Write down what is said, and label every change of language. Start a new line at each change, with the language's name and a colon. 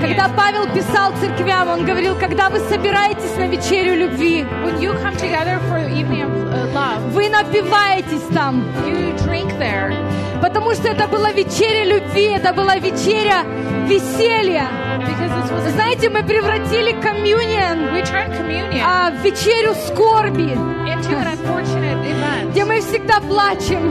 Russian: Когда Павел писал церквям, он говорил, когда вы собираетесь на вечерю любви,
English: when you come together for evening of love,
Russian: вы напиваетесь там.
English: You drink there.
Russian: Потому что это была вечеря любви, это была вечеря веселья. Знаете, мы превратили communion,
English: we turned communion
Russian: в вечерю скорби.
English: Into an unfortunate event,
Russian: где мы всегда плачем.